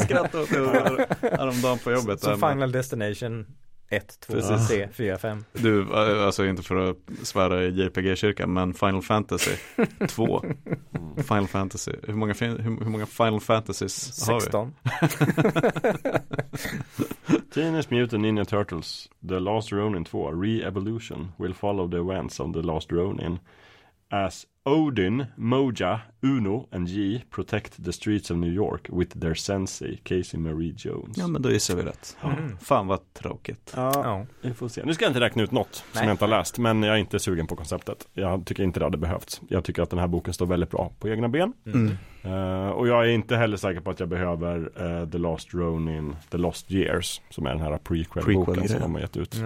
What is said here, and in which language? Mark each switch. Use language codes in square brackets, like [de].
[sv] skrattar åt det häromdagen på jobbet. Så Final Destination 1, 2, 3, 4, 5. Du, alltså inte för att svära i JPG-kyrkan, men Final Fantasy 2. Final Fantasy. Hur många Final Fantasies 16. Har vi? 16. [en] Teenage Mutant Ninja Turtles, The Last Ronin 2, Re-Evolution will follow the events of The Last Ronin as Odin, Moja, Uno and G protect the streets of New York with their sensei, Casey Marie Jones. [sv] Ja, men då gissar vi rätt. Mm. Fan vad tråkigt. Ja, vi får se. Nu ska jag inte räkna ut något som jag inte har läst, men jag är inte sugen på konceptet. Jag tycker inte det hade behövts. Jag tycker att den här boken står väldigt bra på egna ben. Mm. Och jag är inte heller säker på att jag behöver The Last Ronin, The Lost Years, som är den här prequel-boken som de har gett ut.